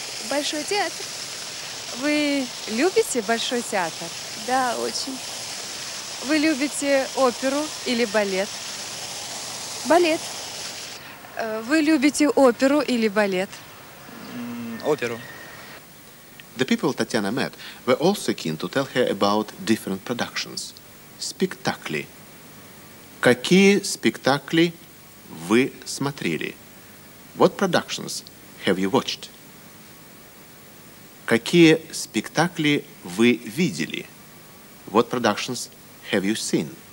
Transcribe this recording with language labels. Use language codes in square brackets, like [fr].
[ru] Большой театр. Вы любите Большой театр? Да, очень. Вы любите оперу или балет? Балет. Вы любите оперу или балет? Оперу. [en] The people Tatiana met were also keen to tell her about different productions. [ru] Спектакли. Какие спектакли вы смотрели? [en] What productions have you watched? [ru] Какие спектакли вы видели? [en] What productions have you seen?